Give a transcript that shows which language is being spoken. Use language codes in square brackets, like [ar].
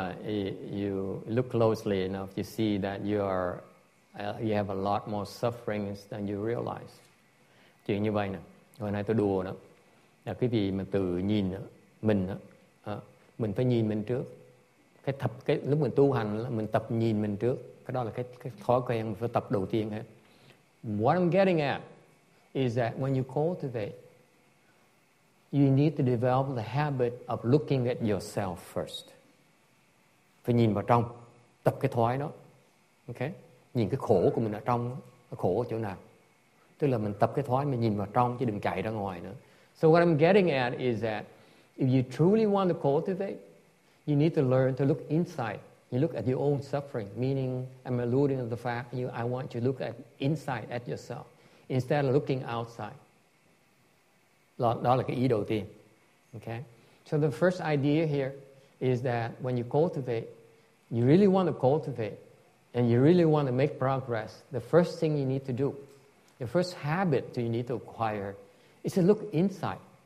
[en] You look closely enough, you see that you have a lot more sufferings than you realize. [vi] Chuyện như vậy nè. Hồi nay tôi đùa đó. Là cái gì mà tự nhìn mình đó. Mình phải nhìn mình trước. Cái lúc mình tu hành là mình tập nhìn mình trước. Cái đó là cái thói quen phải tập đầu tiên hết. [en] What I'm getting at is that when you cultivate, you need to develop the habit of looking at yourself first. [vi] Phải nhìn vào trong, tập cái thói đó. Okay? Nhìn cái khổ của mình ở trong, khổ ở chỗ nào. Tức là mình tập cái thói mình nhìn vào trong chứ đừng chạy ra ngoài nữa. [en] So what I'm getting at is that if you truly want to cultivate, you need to learn to look inside. You look at your own suffering, meaning I'm alluding to the fact I want you to look at inside at yourself instead of looking outside. [vi] Đó là cái ý đầu tiên. [en] Okay? So the first idea here is that when you cultivate, you really want to cultivate and you really want to make progress, the first thing you need to do, the first habit that you need to acquire is to look inside.